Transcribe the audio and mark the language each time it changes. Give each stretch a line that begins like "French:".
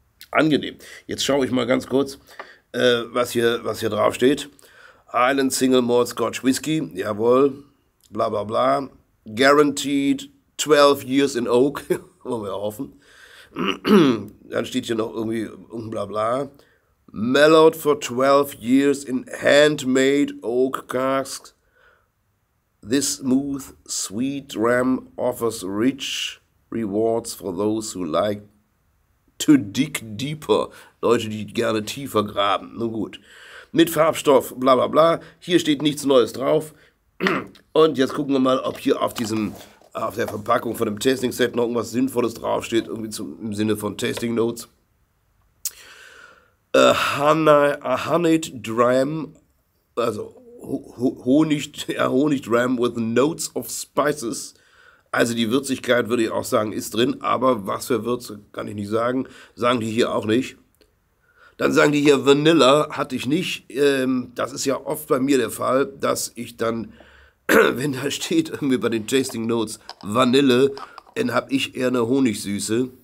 German: Angenehm. Jetzt schaue ich mal ganz kurz, was hier drauf steht. Island Single Malt Scotch Whisky, jawohl, bla bla bla.
English: Guaranteed 12 years in oak,
German: wollen wir hoffen. Dann steht hier noch irgendwie bla bla.
English: Mellowed for 12 years in handmade oak casks. This smooth, sweet dram offers rich rewards for those who like to dig deeper.
German: Leute, die gerne tiefer graben. Nun gut. Mit Farbstoff, bla bla bla. Hier steht nichts Neues drauf. Und jetzt gucken wir mal, ob hier auf der Verpackung von dem Tasting Set noch irgendwas Sinnvolles draufsteht, irgendwie im Sinne von Tasting Notes.
English: A honeyed dram,
German: also Honig
English: dram with notes of spices.
German: Also die Würzigkeit, würde ich auch sagen, ist drin, aber was für Würze, kann ich nicht sagen. Sagen die hier auch nicht. Dann sagen die hier Vanilla, hatte ich nicht. Das ist ja oft bei mir der Fall, dass ich dann, wenn da steht irgendwie bei den Tasting Notes Vanille, dann habe ich eher eine Honigsüße.